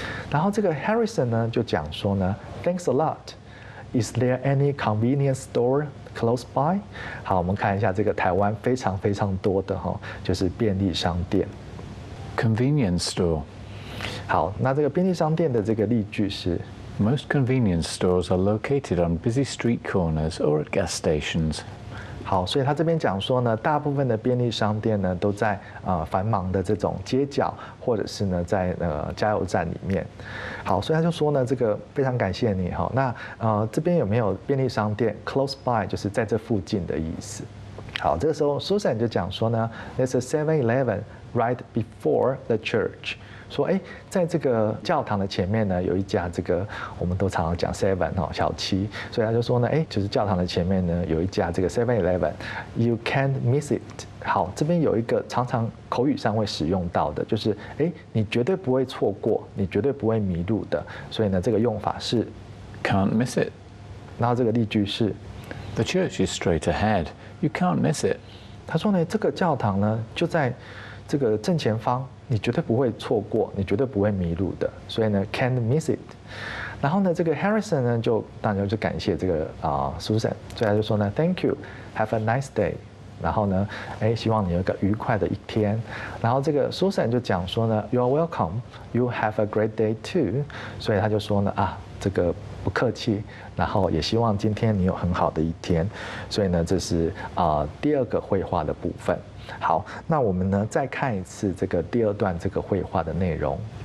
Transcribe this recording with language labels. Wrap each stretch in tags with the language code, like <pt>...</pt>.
<zh>然后这个 Harrison 呢就讲说呢 ，</zh> <en>Thanks a lot。 Is there any convenience store close by？</en> <zh>好，我们看一下这个台湾非常非常多的哈，就是便利商店。</zh> <en>Convenience store。</en> <zh>好，那这个便利商店的这个例句是</zh> <en>：Most convenience stores are located on busy street corners or at gas stations。</en> <zh>好，所以他这边讲说呢，大部分的便利商店呢都在繁忙的这种街角，或者是呢在加油站里面。好，所以他就说呢，这个非常感谢你哈。那这边有没有便利商店 ？</zh> <en>Close by</en> <zh>就是在这附近的意思。好，这个时候 Susan 就讲说呢</zh> <en>，There's a 7-Eleven right before the church。</en> <zh>说哎，在这个教堂的前面呢，有一家这个我们都常常讲 Seven 哦，小七，所以他就说呢，哎，就是教堂的前面呢有一家这个 7-Eleven，</zh> <en>you can't miss it。</en> <zh>好，这边有一个常常口语上会使用到的，就是哎，你绝对不会错过，你绝对不会迷路的。所以呢，这个用法是</zh> <en>can't miss it。</en> <zh>然后这个例句是</zh> <en>the church is straight ahead， you can't miss it。</en> <zh>他说呢，这个教堂呢就在这个正前方。你绝对不会错过，你绝对不会迷路的，所以呢 ，</zh> <en>can't miss it。</en> <zh>然后呢，这个 Harrison 呢，就当然就感谢这个Susan， 所以他就说呢 ，</zh> <en>Thank you， have a nice day。</en> <zh>然后呢，哎，希望你有个愉快的一天。然后这个 Susan 就讲说呢</zh> <en>，You are welcome， you have a great day too。</en> <zh>所以他就说呢，啊，这个不客气，然后也希望今天你有很好的一天。所以呢，这是第二个绘画的部分。好，那我们呢再看一次这个第二段这个绘画的内容。</zh>